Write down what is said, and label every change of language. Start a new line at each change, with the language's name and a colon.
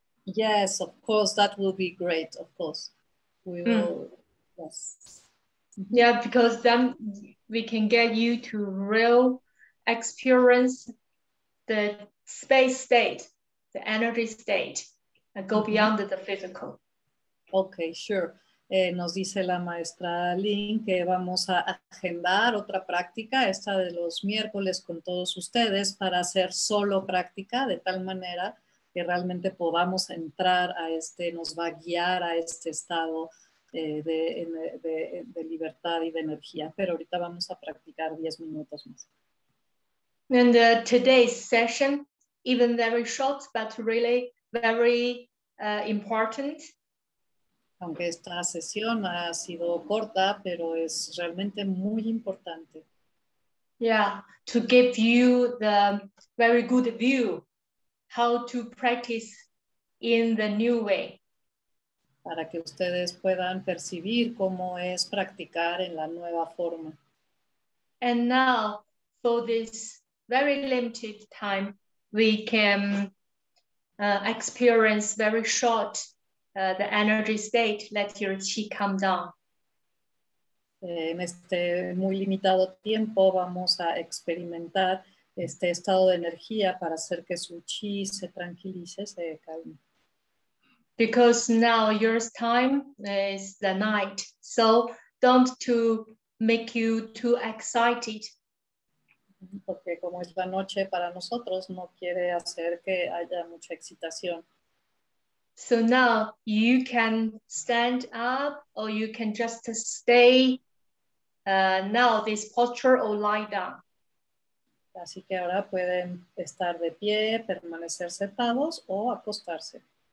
English: Yes, of course, that will be great, of course. We will, yes. Yeah, because then we can get you to real experience the space state, the energy state, and go beyond the physical. Okay, sure.
Spanish: Nos dice la maestra Lin que vamos a agendar otra práctica, esta de los miércoles con todos ustedes, para hacer solo práctica, de tal manera que realmente podamos entrar a este, nos va a guiar a este estado de libertad y de energía. Pero ahorita vamos a practicar 10 minutos más.
English: And today's session, even very short, but really very important.
Spanish: Aunque esta sesión ha sido corta, pero es realmente muy importante.
English: Yeah, to give you the very good view how to practice in the new way.
Spanish: Para que ustedes puedan percibir cómo es practicar en la nueva forma.
English: And now, for this very limited time, we can experience very short the energy state, let your chi come down.
Spanish: En este muy limitado tiempo, vamos a experimentar este estado de energía para hacer que su chi se tranquilice, se calme.
English: Because now your time is the night, so don't to make you too excited.
Spanish: Porque como es la noche para nosotros, no quiere hacer que haya mucha excitación.
English: So now you can stand up or you can just stay now this posture or lie down.
Spanish: Así que ahora pueden estar de pie, permanecer sentados o acostarse.